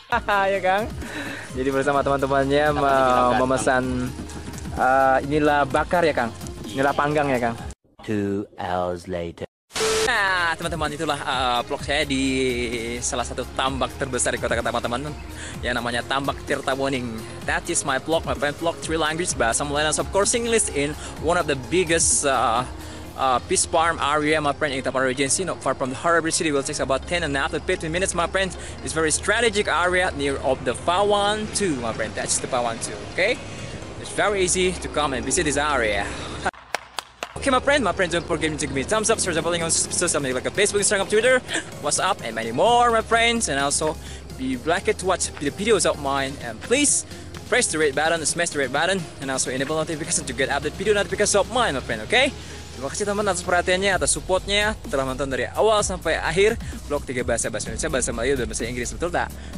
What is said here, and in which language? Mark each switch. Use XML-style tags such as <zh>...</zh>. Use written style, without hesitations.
<id>Ya Kang. Jadi bersama teman-temannya memesan inilah bakar ya Kang. Inilah panggang ya Kang.</id> <en>2 hours later.</en> <id>Nah teman-teman, itulah vlog saya di salah satu tambak terbesar di kota kota teman-teman, yang namanya Tambak Tirta Bening.</id> <en>That is my vlog, my friend vlog, 3 languages,</en> <id>bahasa Melayu dan</id> <en>of course English, in one of the biggest peace farm area, my friend, in Tapanuli Regency, not far from the Harbour City. Will take about 10 and a half to 15 minutes, my friend. It's very strategic area near of the Pawan 2, my friend. That's the Pawan 2, okay? It's very easy to come and visit this area. Okay, my friend, don't forget to give me a thumbs up, search the following on social media like a Facebook, Instagram, Twitter, WhatsApp, and many more, my friends. And also, be blessed to watch the videos of mine. And please, press the red button, smash the red button, and also enable notification to get update video notifications of mine, my friend, okay?</en> <id>Terima kasih teman atas perhatiannya, atas supportnya, telah menonton dari awal sampai akhir vlog 3 bahasa, bahasa Indonesia, bahasa Melayu, dan bahasa Inggris, betul tak?</id>